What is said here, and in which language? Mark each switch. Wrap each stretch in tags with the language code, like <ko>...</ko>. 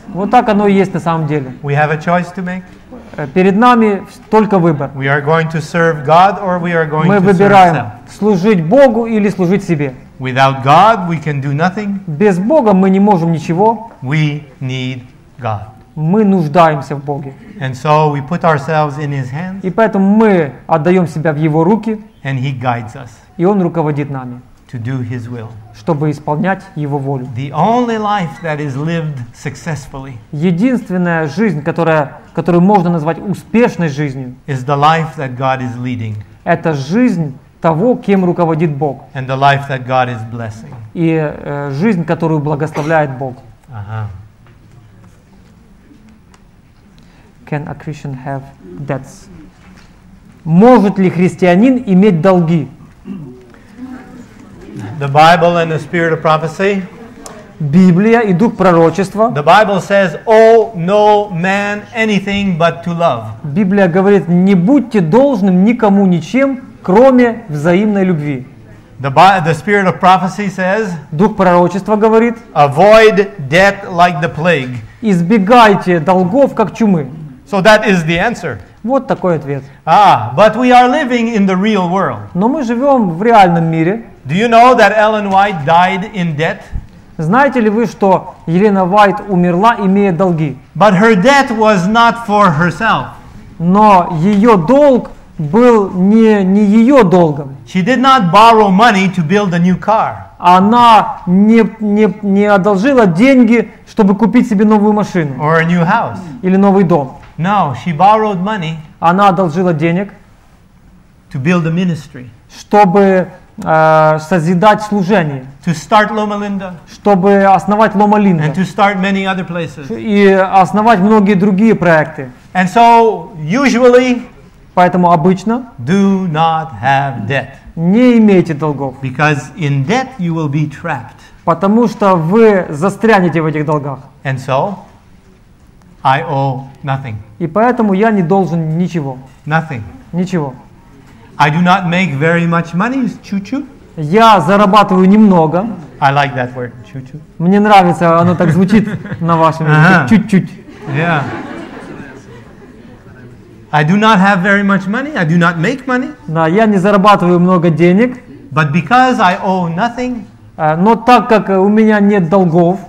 <ru>Вот так оно и есть на самом деле.</ru> <en>We have a choice to make.</en> <ru>Перед нами только выбор.</ru> <en>We are going to serve God or we are going</en> <ru>Мы</ru> <en>to</en> <ru>выбираем</ru> <en>serve self.</en> <ru>Служить Богу или служить себе.</ru> <en>Without God we can do nothing.</en> <ru>Без Бога мы не можем ничего.</ru> <en>We need God.</en> <ru>Мы нуждаемся в Боге.</ru> <en>And so we put ourselves in His hands.</en> <ru>И поэтому мы отдаем себя в Его руки.</ru> <en>And He guides us.</en> <ru>И Он руководит нами.</ru> <en>To do His will.</en> <ru>Чтобы исполнять Его волю.</ru> <en>The only life that is lived successfully.</en> <ru>Единственная жизнь, которую можно назвать успешной жизнью.</ru> <en>Is the life that God is leading.</en> <ru>Это жизнь того, кем руководит Бог.</ru> <en>And the life that God is blessing.</en> <ru>И жизнь, которую благословляет Бог.</ru> <en>Can a Christian have debts?</en> <ru>Может ли христианин иметь долги?</ru> <en>The Bible and the spirit of prophecy.</en> <ru>Библия и дух пророчества.</ru> <en>The Bible says, "O no man anything but to love."</en> <ru>Библия говорит: не будьте должным никому ничем, кроме взаимной любви.</ru> <en>The spirit of prophecy says.</en> <ru>Дух пророчества говорит:</ru> <en>avoid debt like the plague.</en> <ru>Избегайте долгов как чумы.</ru> <en>So that is the answer.</en> <ru>Вот такой ответ.</ru> <en>Ah, but we are living in the real world.</en> <ru>Но мы живем в реальном мире.</ru> <en>Do you know that Ellen White died in debt?</en> <ru>Знаете ли вы, что Елена Уайт умерла, имея долги?</ru> <en>But her debt was not for herself.</en> <ru>Но ее долг был не ее долгом.</ru> <en>She did not borrow money to build a new car.</en> <ru>Она не одолжила деньги, чтобы купить себе новую машину.</ru> <en>Or a new house.</en> <ru>Или новый дом.</ru> <en>No, she borrowed money.</en> <ru>Она одолжила денег.</ru> <en>To build a ministry.</en> <ru>Чтобы созидать служение.</ru> <en>To start Loma Linda.</en> <ru>Чтобы основать Loma Linda.</ru> <en>And to start many other places.</en> <ru>И основать многие другие проекты.</ru> <en>And so, usually,</en> <ru>поэтому обычно,</ru> <en>do not have debt.</en> <ru>Не имейте долгов.</ru> <en>Because in debt you will be trapped.</en> <ru>Потому что вы застрянете в этих долгах.</ru> <en>And so, I owe nothing.</en> <ru>И поэтому я не должен ничего.</ru> <en>Nothing.</en> <ru>Ничего.</ru> <en>I do not make very much money, chuchu.</en> <ru>Я зарабатываю немного.</ru> <en>I like that word, chuchu.</en> <ru>Мне нравится, оно так звучит на вашем языке, чуть-чуть.</ru> <en>Yeah. I do not have very much money. I do not make money.</en> <ru>Да, я не зарабатываю много денег.</ru> <en>But because I owe nothing.</en> <ru>Но так как у меня нет долгов.</ru>